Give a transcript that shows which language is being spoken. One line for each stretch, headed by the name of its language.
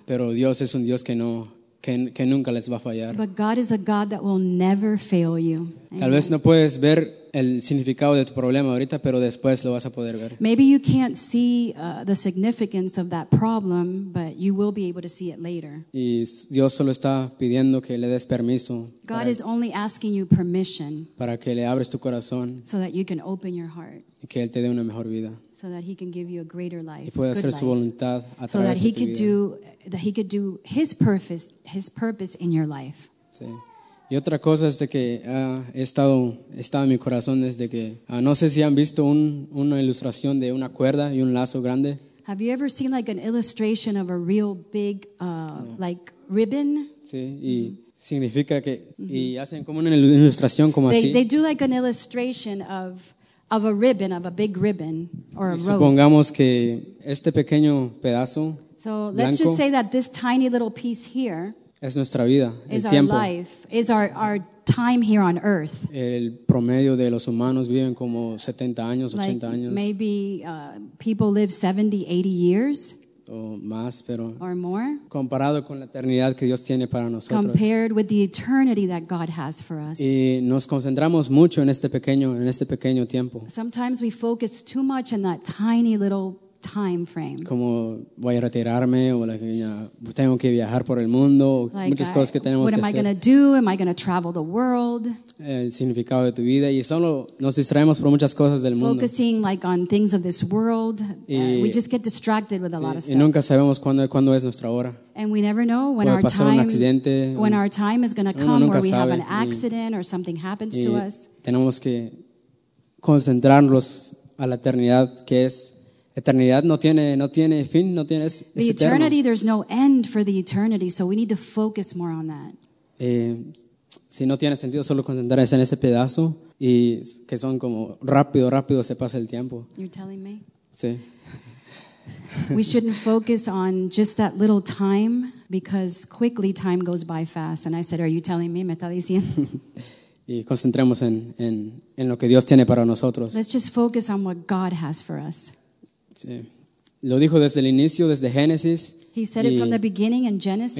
Spanish: Pero Dios es un Dios que nunca les va a fallar.
English: But God is a God that will never fail you. Amen.
Spanish: Tal vez no puedes ver el significado de tu problema ahorita, pero después lo vas a poder ver.
English: Maybe you can't see the significance of that problem, but you will be able to see it later.
Spanish: Y Dios solo está pidiendo que le des permiso.
English: God is only asking you permission.
Spanish: Para que le abres tu corazón.
English: So that you can open your heart.
Spanish: Y que él te dé una mejor vida.
English: So that he can give you a greater life.
Spanish: Y pueda hacer su voluntad a través de tu vida.
English: So that he could do his purpose in your life.
Spanish: Sí. Y otra cosa es de que he estado en mi corazón desde que no sé si han visto una ilustración de una cuerda y un lazo grande.
English: Have you ever seen like an illustration of a real big like ribbon?
Spanish: Sí, y significa que y hacen como una ilustración como
English: they,
Spanish: así.
English: They do like an illustration of of a ribbon, of a big ribbon or a rope.
Spanish: Supongamos que este pequeño pedazo.
English: So let's just say that this tiny little piece here
Spanish: es nuestra vida,
English: is
Spanish: el tiempo.
English: Our life, is our time here on earth.
Spanish: El promedio de los humanos viven como 70 años, 80 años.
English: Maybe people live 70, 80 years.
Spanish: O más, pero
English: or more.
Spanish: Comparado con la eternidad que Dios tiene para nosotros.
English: Compared with the eternity that God has for us.
Spanish: Y nos concentramos mucho en este pequeño tiempo.
English: Sometimes we focus too much in that tiny little time frame.
Spanish: Como voy a retirarme o tengo que viajar por el mundo,
English: like
Spanish: muchas cosas que tenemos que hacer.
English: What am I going to do? Am I going to travel the world?
Spanish: El significado de tu vida y solo nos distraemos por muchas cosas del mundo.
English: Focusing like on things of this world, we just get distracted with a lot of stuff.
Spanish: Y nunca sabemos cuándo es nuestra hora.
English: And we never know when our time when our time is going to come, where we have an accident or something happens to us.
Spanish: Tenemos que concentrarnos a la eternidad que es. Eternidad no tiene fin, no tiene, es eterno.
English: The eternity, there's no end for the eternity, so we need to focus more on that.
Spanish: Si no tiene sentido, solo concentrarse en ese pedazo y que son como rápido se pasa el tiempo.
English: You're telling me?
Spanish: Sí.
English: We shouldn't focus on just that little time because quickly time goes by fast. And I said, are you telling me?
Spanish: ¿Me está diciendo? Y concentremos en lo que Dios tiene para nosotros.
English: Let's just focus on what God has for us.
Spanish: Sí. Lo dijo desde el inicio, desde Génesis.
English: He said it from the beginning in Genesis.